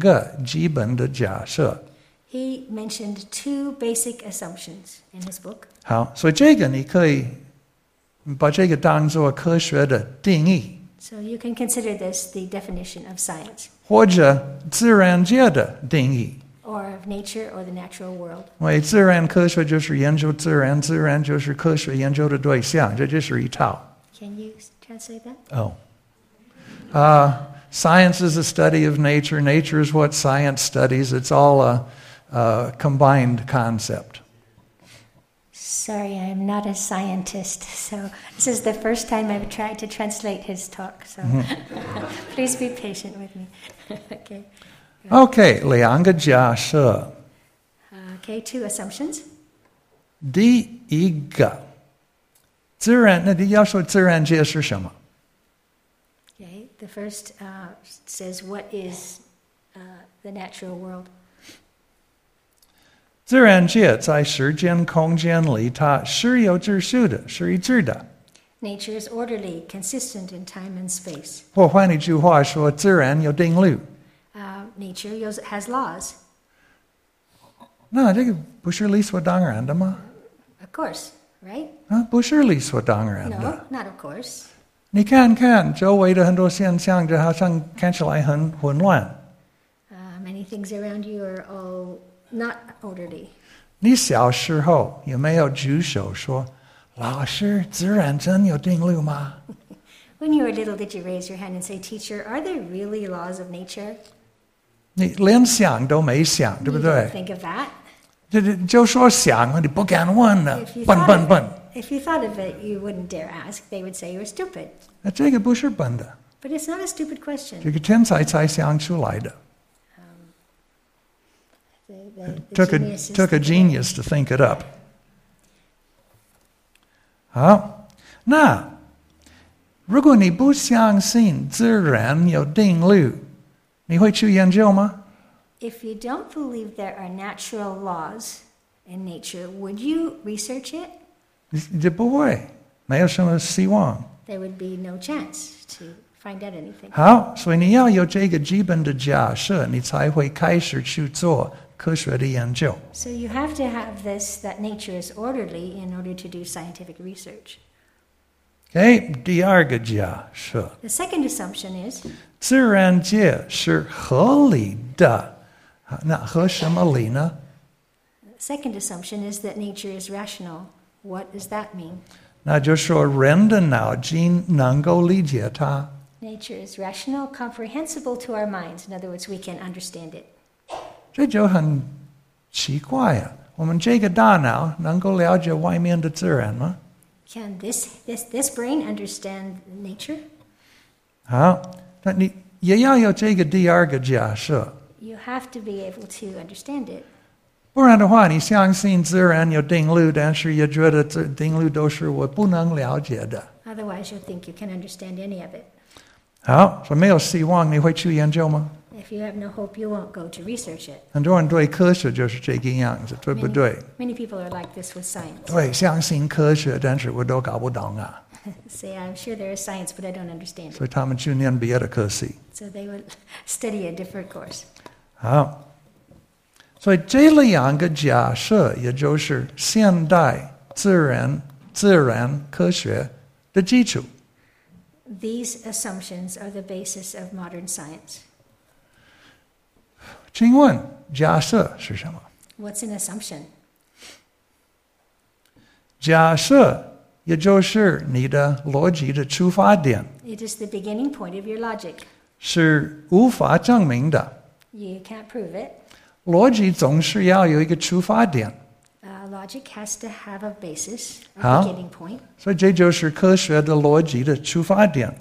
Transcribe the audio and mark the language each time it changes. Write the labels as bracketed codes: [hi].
[zh] 那在他的那本书,他就提出了两个基本的假设。 [en] He mentioned two basic assumptions in his book. [zh] 好,所以这个你可以把这个当作科学的定义。 [en] So you can consider this the definition of science. [zh] 或者自然界的定义。 [en] Or of nature or the natural world. [zh] 因为自然科学就是研究自然,自然就是科学研究的对象,这就是一套。 [en] Can you translate that? Oh. Science is a study of nature. Nature is what science studies. It's all a combined concept. Sorry, I'm not a scientist. So this is the first time I've tried to translate his talk. So please be patient with me. Okay. [zh] Okay, 两个假设. [en] Okay, two assumptions. [zh] 第一个, 自然界是什么? [en] The first says, what is the natural world? [zh] 自然界在时间空间里,它是有秩序的, 是一致的。 [en] Nature is orderly, consistent in time and space. [zh] 或换一句话说，自然有定律。 [en] Nature has laws. [zh] 那这个不是理所当然的吗？ [en] Of course, right? [zh] 不是理所当然的。 [en] No, not of course. [zh] 你看看周围的很多现象，就好像看起来很混乱。 [en] Many things around you are all not orderly. [zh] 你小时候有没有举手说？老师，自然真有定律吗？ [en] When you were little, did you raise your hand and say, Teacher, are there really laws of nature? [zh] 你连想都没想，对不对？ [en] You didn't think of that. [zh] 就说想，你不敢问呢，笨笨笨。 [en] If you thought of it, you wouldn't dare ask. They would say you were stupid. [zh] 那这个不是笨的。 [en] But it's not a stupid question. [zh] 这个天才才想出来的。 [en] took a genius to think it up. [zh] 好，那如果你不相信自然有定律，你会去研究吗？ [en] If you don't believe there are natural laws in nature, would you research it? [zh] 你不会，没有什么希望。 [en] There would be no chance to find out anything. [zh] 好，所以你要有这个基本的假设，你才会开始去做科学的研究。 [en] So you have to have this, that nature is orderly in order to do scientific research. [zh] Okay, 第二个假设。 [en] The second assumption is, [zh] 自然界是合理的。那合什么理呢？ [en] The second assumption is that nature is rational. What does that mean? [zh] 那就说人的脑筋能够理解它。 [en] Nature is rational, comprehensible to our minds. In other words, we can understand it. [zh] 这就很奇怪啊！我们这个大脑能够了解外面的自然吗？ [en] Can this brain understand nature? [zh] 好，但你也要有这个第二个假设。 [en] You have to be able to understand it. [zh] 不然的话，你相信自然有定律，但是也觉得这定律都是我不能了解的。 [en] Otherwise, you think you can understand any of it. [zh] 好，所以没有希望，你会去研究吗？ [en] If you have no hope, you won't go to research it. [zh] 很多人对科学就是这个样子，对不对？ [en] Many people are like this with science. [zh] 对，相信科学，但是我都搞不懂啊。 [en] Say, I'm sure there is science, but I don't understand it. [zh] 所以他们去念别的科系。 [en] So they would study a different course. [zh] 好，所以这两个假设，也就是现代自然科学的基础。 [en] These assumptions are the basis of modern science. [zh] 请问假设是什么？ [en] What's an assumption? [zh] 假设也就是你的逻辑的出发点。 [en] It is the beginning point of your logic. [zh] 是无法证明的。 [en] You can't prove it. [zh] 逻辑总是要有一个出发点。 [en] Logic has to have a basis, a beginning point. [zh] 所以这就是科学的逻辑的出发点。